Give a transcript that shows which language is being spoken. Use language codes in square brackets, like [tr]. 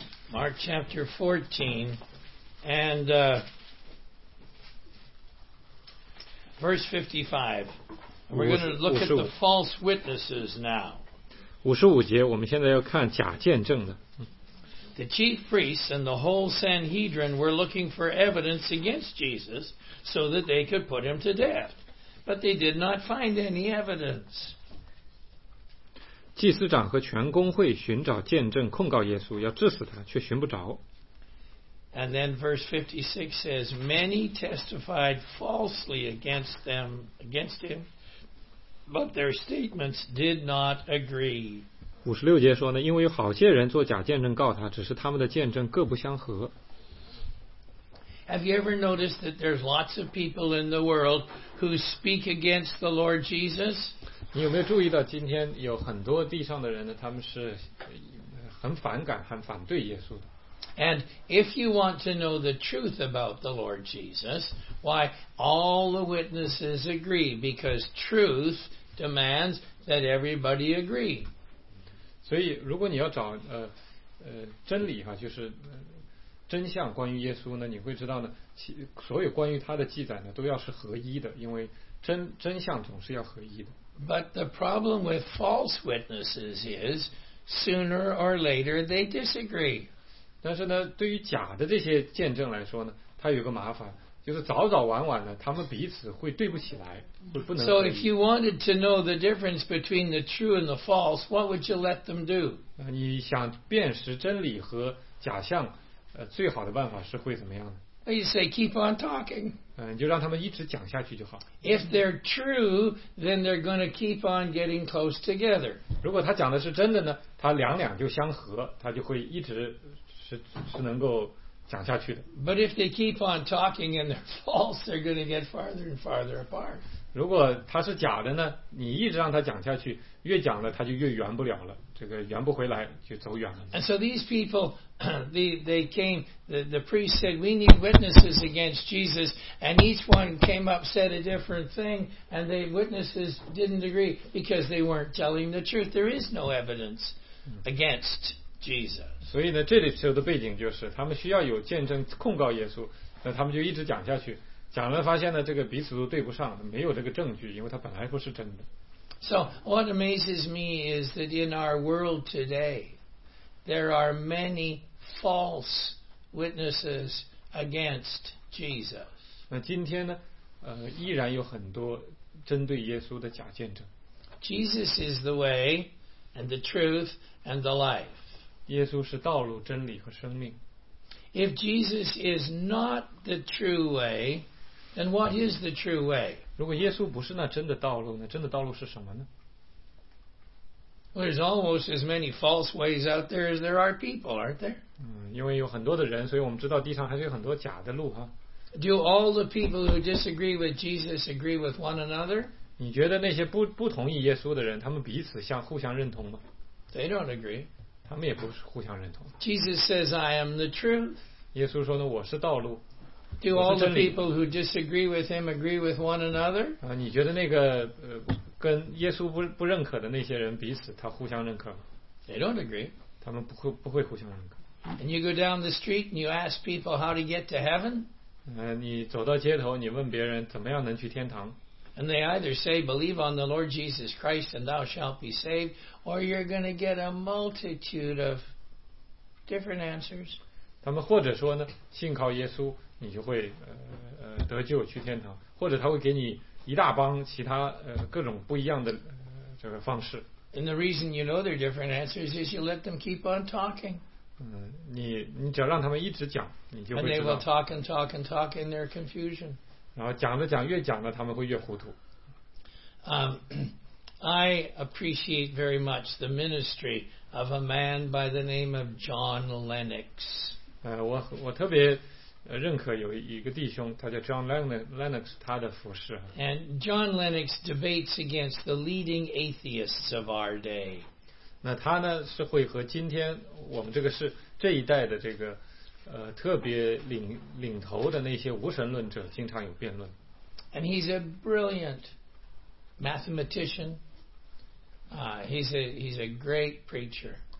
[en] Mark chapter 14, and verse 55. We're going to look at the false witnesses now. [zh] 五十五节，我们现在要看假见证的。 [en] The chief priests and the whole Sanhedrin were looking for evidence against Jesus so that they could put him to death. But they did not find any evidence. [zh] 祭司长和全公会寻找见证控告耶稣，要治死他，却寻不着。 [en] And then verse 56 says, many testified falsely against him, but their statements did not agree. [zh] 五十六节说呢，因为有好些人做假见证告他，只是他们的见证各不相合。 [en] Have you ever noticed that there's lots of people in the world who speak against the Lord Jesus? [zh] 你有没有注意到今天有很多地上的人呢？他们是很反感、很反对耶稣的。 [en] And if you want to know the truth about the Lord Jesus, why all the witnesses agree? Because truth demands that everybody agree. [zh] 所以如果你要找真理哈，就是真相关于耶稣呢，你会知道呢，所有关于他的记载呢都要是合一的，因为真相总是要合一的。 [en] But the problem with false witnesses is sooner or later they disagree. [zh] 但是呢，对于假的这些见证来说呢，他有个麻烦，就是早早晚晚呢，他们彼此会对不起来。 [en] So if you wanted to know the difference between the true and the false, what would you let them do? [zh] 你想辨识真理和假象，最好的办法是会怎么样的？ [en] You say keep on talking. [zh] 你就让他们一直讲下去就好。 [en] If they're true, then they're going to keep on getting close together. [zh] 如果他讲的是真的呢，他两两就相合，他就会一直是能够。讲下去的。 [en] But if they keep on talking and they're false, they're going to get farther and farther apart. [zh] 如果他是假的呢，你一直让他讲下去，越讲了他就越圆不了了，这个圆不回来就走远了。 [en] And so these people, they came, the priest said, we need witnesses against Jesus, and each one came up, said a different thing, and the witnesses didn't agree because they weren't telling the truth. There is no evidence against Jesus. [zh] 所以呢，这里头的背景就是，他们需要有见证控告耶稣，那他们就一直讲下去，讲了发现呢，这个彼此都对不上，没有这个证据，因为他本来不是真的。 [en] So what amazes me is that in our world today, there are many false witnesses against Jesus. [zh] 那今天呢，依然有很多针对耶稣的假见证。 [en] Jesus is the way, and the truth, and the life. [zh] 耶稣是道路、真理和生命。 [en] If Jesus is not the true way, then what is the true way? [zh] 如果耶稣不是那真的道路，那真的道路是什么呢？ [en] Well, there's almost as many false ways out there as there are people, aren't there? [zh] 因为有很多的人，所以我们知道地上还是有很多假的路哈。 [en] Do all the people who disagree with Jesus agree with one another? [zh] 你觉得那些不同意耶稣的人，他们彼此相互相认同吗？ [en] They don't agree. [zh] 他们也不是互相认同。 [en] Jesus says, I am the truth. [zh] 耶稣说呢，我是道路。 [en] Do all the people who disagree with him agree with one another? [zh] 你觉得那个跟耶稣不认可的那些人彼此他互相认可吗？ [en] They don't agree. [zh] 他们不会互相认可。 [en] And you go down the street and you ask people how to get to heaven? [zh] 你走到街头，你问别人怎么样能去天堂。 [en] And they either say, believe on the Lord Jesus Christ and thou shalt be saved, or you're going to get a multitude of different answers. [zh] 他们或者说呢，信靠耶稣你就会得救去天堂，或者他会给你一大帮其他各种不一样的这个方式。 [en] And the reason you know they're different answers is you let them keep on talking. [zh] 你只要让他们一直讲，你就会知道。 [en] And they will talk and talk and talk in their confusion. [zh] 然后讲着讲越讲呢，他们会越糊涂。 [en] I appreciate very much the ministry of a man by the name of John Lennox. [zh] 我特别认可有一个弟兄，他叫 John Lennox， 他的服事。 [en] And John Lennox debates against the leading atheists of our day. [zh] 那他呢是会和今天我们这个是这一代的这个。特别领头的那些无神论者经常有辩论。 [en] And he's a brilliant mathematician. He's a great preacher.